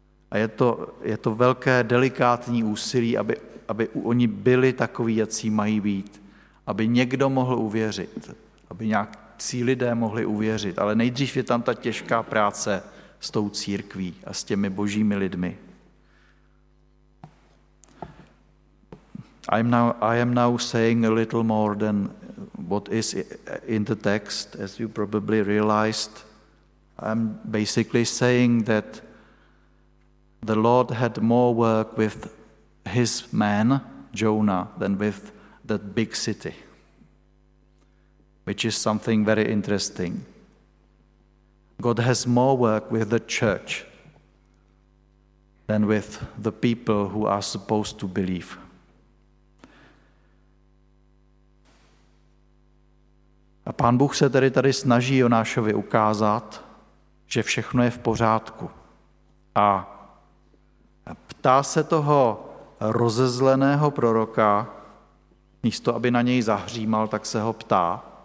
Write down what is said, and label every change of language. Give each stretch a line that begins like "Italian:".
Czech: A je to velké delikátní úsilí, aby oni byli takoví, jací mají být, aby někdo mohl uvěřit, aby nějakí lidé mohli uvěřit, ale nejdřív je tam ta těžká práce s tou církví a s těmi božími lidmi.
English: I am now saying a little more than what is in the text, as you probably realized. I'm basically saying that the Lord had more work with his man, Jonah, than with that big city, which is something very interesting. God has more work with the church than with the people who are supposed to believe.
Czech: A Pán Bůh se tady snaží Jonášovi ukázat, že všechno je v pořádku. A ptá se toho rozezleného proroka, místo aby na něj zahřímal, tak se ho ptá.